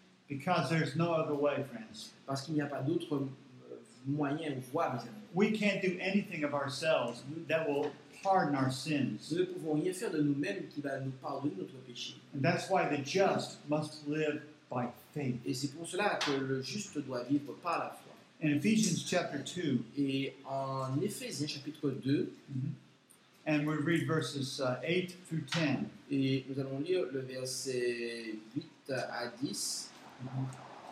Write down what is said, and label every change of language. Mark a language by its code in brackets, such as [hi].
[en] Because there's no other way, friends. [fr] Parce qu'il n'y a pas d'autre moyen ou voie, mes amis. [en] We can't do anything of ourselves that will pardon our sins. [fr] Nous ne pouvons rien faire de nous-mêmes qui va nous pardonner notre péché. [en] And that's why the just must live by faith. [fr] Et c'est pour cela que le juste doit vivre par la foi. [en] In Ephesians chapter 2. [fr] Et en Éphésiens chapitre 2. Mm-hmm. [en] And we read verses 8 through 10. [fr] Et nous allons lire le verset 8 à 10. Mm-hmm.